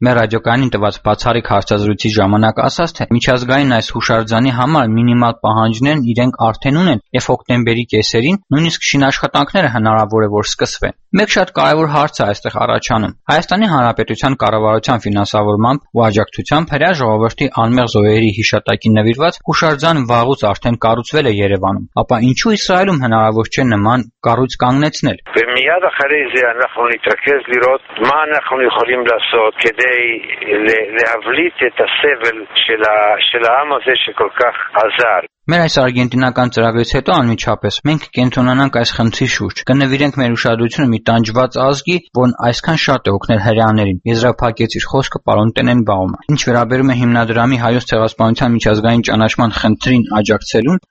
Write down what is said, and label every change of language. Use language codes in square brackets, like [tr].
[hy] մեր ռադիոկայանին տված բացառիկ հարցազրույցի ժամանակ ասաց, թե միջազգային այս հուշարձանի համար մինիմալ պահանջներն իրենք արդեն ունեն, և հոկտեմբերի կեսերին նույնիսկ շինաշխատանքները հնարավոր է, որ սկսվեն։ Մեկ շատ կարևոր հարց է այստեղ առաջանում։ Հայաստանի Հանրապետության կառավարության ֆինանսավորմամբ ու աջակցությամբ հրեա ժողովրդի անմեղ զոհերի հիշատակին նվիրված հուշարձան վաղուց արդեն կառուցվել է Երևանում, ապա ինչու Իսրայելում հնարավոր չէ նման կառույց կանգնեցնել։ Միաձ ախրի զի [he] אנחנו נתרכז לראות מה אנחנו יכולים לעשות כדי להבליט את הסבל של העם הזה שכל כך עזר. [hy] Մեր այս արգենտինական ծրագրից հետո անմիջապես մենք կենտրոնանանք այս խնդրի շուրջ։ Կնվիրենք մեր ուշադրությունը մի տանջված ազգի, որն այսքան շատ է օգնել հրեաներին։ Եզրափակեց իր խոսքը պարոն Տենենբաումը։ Ինչ վերաբերում է հիմնադրամի հայոց ցեղասպանության միջազգային ճանաչման խնդրին աջակցելուն,